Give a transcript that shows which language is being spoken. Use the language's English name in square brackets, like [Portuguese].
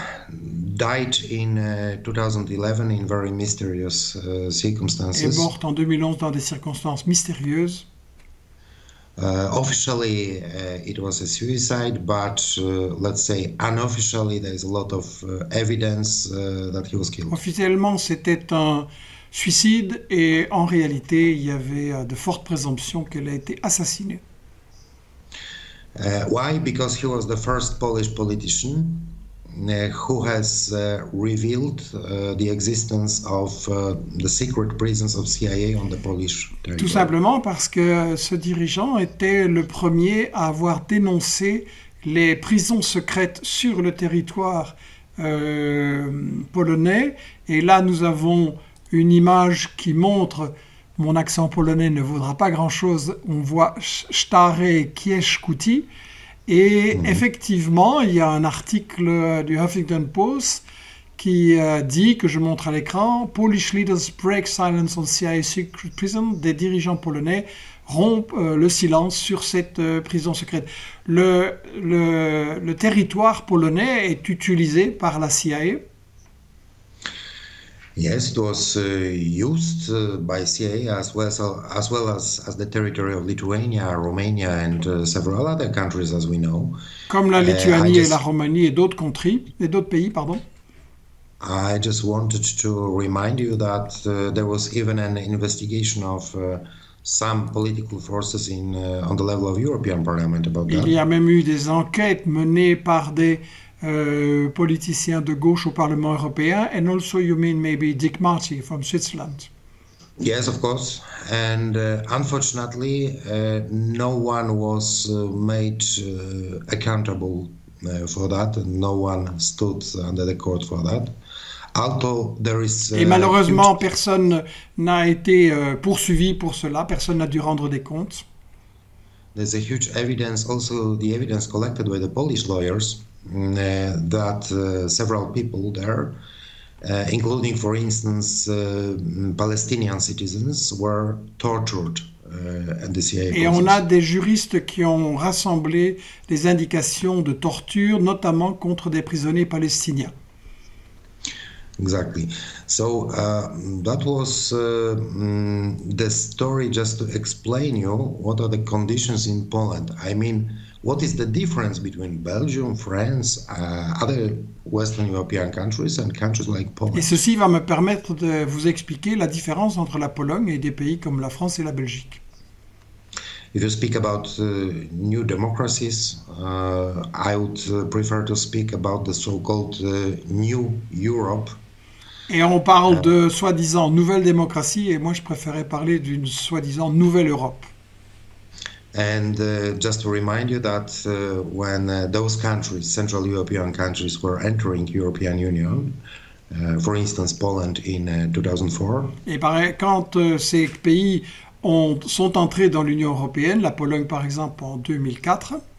[English] died in 2011 in very mysterious circumstances. [French] Est morte en 2011 dans des circonstances mystérieuses. [English] Officially it was a suicide, but let's say unofficially there is a lot of evidence that he was killed. [French] Officiellement c'était un suicide et en réalité il y avait de fortes présomptions qu'elle a été assassinée. [English] Why? Because he was the first Polish politician who has revealed the existence of the secret prisons of CIA on the Polish territory. [French] Tout simplement parce que ce dirigeant était le premier à avoir dénoncé les prisons secrètes sur le territoire polonais. Et là, nous avons une image qui montre, mon accent polonais ne vaudra pas grand-chose, on voit Stare Kieszkuti. Et effectivement, il y a un article du Huffington Post qui dit, que je montre à l'écran, « [English] Polish leaders break silence on CIA secret prison [French] », des dirigeants polonais rompent le silence sur cette prison secrète. Le territoire polonais est utilisé par la CIA. [English] Yes, it was used by CIA as well as the territory of Lithuania, Romania and several other countries as we know. [French] Comme la Lituanie et la Roumanie et d'autres contrées et d'autres pays, pardon. [English] I just wanted to remind you that there was even an investigation of some political forces in on the level of European Parliament about that. [French] Il y a même eu des enquêtes menées par des politicien de gauche au Parlement européen, [English] and also you mean maybe Dick Marty from Switzerland. Yes, of course. And unfortunately, no one was made accountable for that. No one stood under the court for that. Although there is, [French] et malheureusement, personne n'a été poursuivi pour cela. Personne n'a dû rendre des comptes. [English] There's a huge evidence, also the evidence collected by the Polish lawyers, that several people there, including, for instance, Palestinian citizens, were tortured at the CIA. [French] Et [English] process. [French] On a des juristes qui ont rassemblé des indications de torture, notamment contre des prisonniers palestiniens. [English] Exactly. So that was the story, just to explain you what are the conditions in Poland. I mean, what is the difference between Belgium, France, other Western European countries and countries like Poland? [French] Et ceci va me permettre de vous expliquer la différence entre la Pologne et des pays comme la France et la Belgique. [English] If you speak about new democracies, I would prefer to speak about the so-called new Europe. [French] Et on parle de soi-disant nouvelle démocratie et moi je préférais parler d'une soi-disant nouvelle Europe. [English] And just to remind you that when those countries, Central European countries, were entering European Union, for instance, Poland in 2004. [French] Et quand ces pays sont entrés dans l'Union européenne, la Pologne par exemple en 2004.